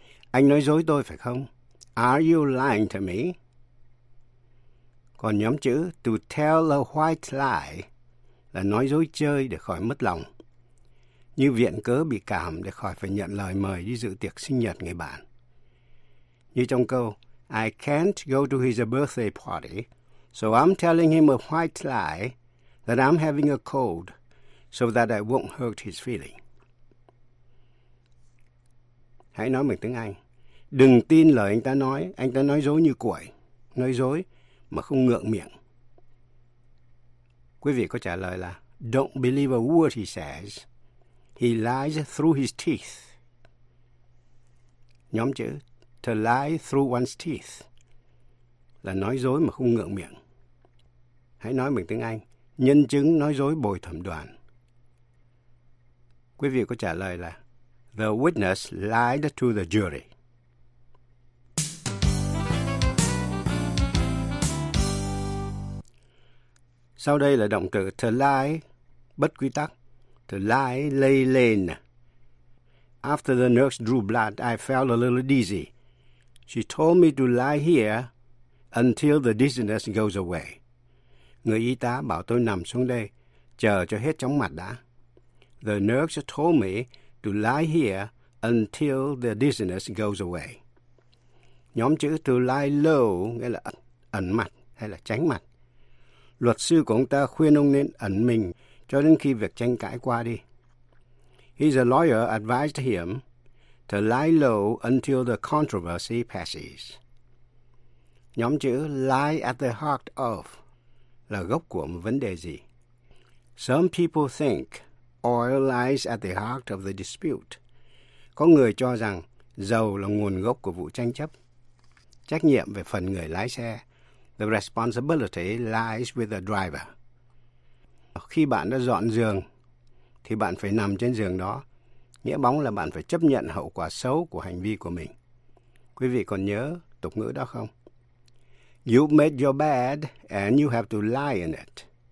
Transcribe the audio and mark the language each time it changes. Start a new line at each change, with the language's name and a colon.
Vietnamese: Anh nói dối tôi phải không?
English: Are you lying to me?
Vietnamese: Còn nhóm chữ
English: to tell a white lie
Vietnamese: là nói dối chơi để khỏi mất lòng. Như viện cớ bị cảm để khỏi phải nhận lời mời đi dự tiệc sinh nhật người bạn. Như trong câu
English: I can't go to his birthday party, so I'm telling him a white lie that I'm having a cold so that I won't hurt his feeling.
Vietnamese: Hãy nói bằng tiếng Anh. Đừng tin lời anh ta nói dối như cuội, nói dối mà không ngượng miệng. Quý vị có trả lời là
English: Don't believe a word he says, he lies through his teeth.
Vietnamese: Nhóm chữ
English: To lie through one's teeth
Vietnamese: là nói dối mà không ngượng miệng. Hãy nói bằng tiếng Anh, nhân chứng nói dối bồi thẩm đoàn. Quý vị có trả lời là
English: The witness lied to the jury.
Vietnamese: Sau đây là động từ to lie, bất quy tắc.
English: To lie, lay, lain. After the nurse drew blood, I felt a little dizzy. She told me to lie here until the dizziness goes away.
Vietnamese: Người y tá bảo tôi nằm xuống đây, chờ cho hết chóng mặt đã.
English: The nurse told me to lie here until the dizziness goes away.
Vietnamese: Nhóm chữ to lie low nghĩa là ẩn mặt hay là tránh mặt. Luật sư của ông ta khuyên ông nên ẩn mình cho đến khi việc tranh cãi qua đi.
English: His lawyer advised him to lie low until the controversy passes.
Vietnamese: Nhóm chữ lie at the heart of là gốc của một vấn đề gì?
English: Some people think oil lies at the heart of the dispute.
Vietnamese: Có người cho rằng dầu là nguồn gốc của vụ tranh chấp. Trách nhiệm về phần người lái xe,
English: the responsibility lies with the driver.
Vietnamese: Khi bạn đã dọn giường, thì bạn phải nằm trên giường đó. Nghĩa bóng là bạn phải chấp nhận hậu quả xấu của hành vi của mình. Quý vị còn nhớ tục ngữ đó không?
English: You made your bed and you have to lie in it.